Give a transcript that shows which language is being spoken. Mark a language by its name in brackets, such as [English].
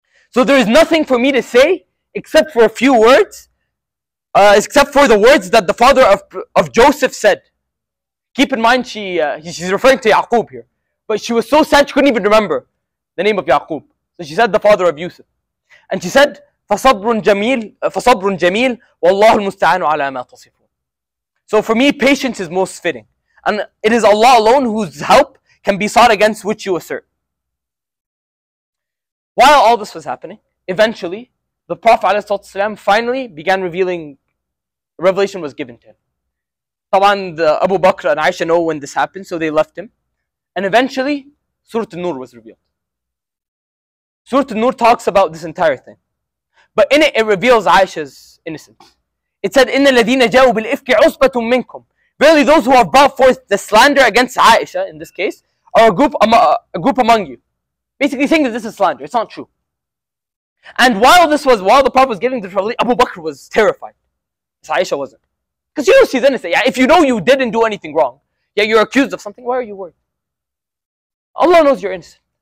[English] So there is nothing for me to say except for a few words, except for the words that the father of Joseph said. Keep in mind, she's referring to Yaqub here. But she was so sad, she couldn't even remember the name of Yaqub. So she said, the father of Yusuf. And she said, [Arabic] فَصَبْرٌ جَمِيلٌ وَاللَّهُ الْمُسْتَعَانُ عَلَى مَا تَصِفُونَ. [English] So for me, patience is most fitting. And it is Allah alone whose help can be sought against which you assert. While all this was happening, eventually, the Prophet ﷺ finally began revealing, revelation was given to him. Taban, Abu Bakr and Aisha know when this happened, so they left him. And eventually, Surah An-Nur was revealed. Surah An-Nur talks about this entire thing. But in it reveals Aisha's innocence. It said, [Arabic] إِنَّ الَّذِينَ جَاءُوا بِالْإِفْكِ عُصْبَةٌ مِّنْكُمْ. [English] Verily, those who have brought forth the slander against Aisha, in this case, are a group among you. Basically saying that this is slander, it's not true. And while the Prophet was giving the revelation, Abu Bakr was terrified. So Aisha wasn't. Because you know she's innocent. Yeah, if you know you didn't do anything wrong, yet you're accused of something, why are you worried? Allah knows you're innocent.